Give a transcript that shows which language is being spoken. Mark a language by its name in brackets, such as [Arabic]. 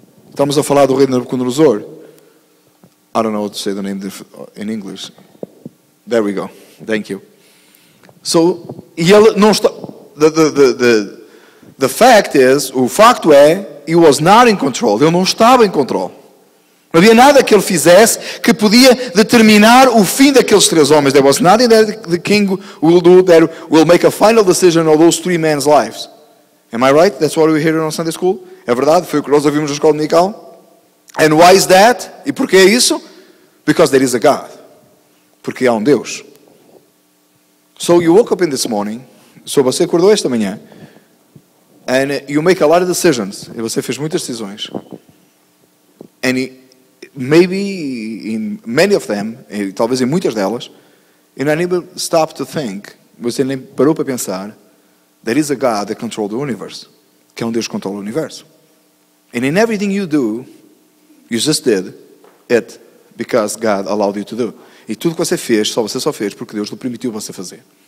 [Portuguese] Estamos a falar do rei Nabucodonosor. [English] I don't know how to say the name in English. There we go. Thank you. So, the fact is, [Portuguese] o facto é, [English] he was not in control. [Portuguese] Ele não estava em control. Não havia nada que ele fizesse que podia determinar o fim daqueles três homens. [English] There was nothing that the king will do that will make a final decision on those three men's lives. Am I right? That's what we hear in Sunday school. [Portuguese] É verdade? Foi o que nós ouvimos na escola dominical. [English] And why is that? [Portuguese] E porquê é isso? [English] Because there is a God. [Portuguese] Porque há Deus. [English] So you woke up in this morning. [Portuguese] So você acordou esta manhã. [English] And you make a lot of decisions. E você fez muitas decisões. And maybe in many of them, [Portuguese] e talvez em muitas delas, [English] you don't even stop to think, [Portuguese] você nem parou para pensar, [English] there is a God that controls the universe. [Portuguese] Que é Deus que controla o universo. [English] And in everything you do, you just did it because God allowed you to do. [Portuguese] E tudo que você fez, só você só fez porque Deus lhe permitiu você fazer.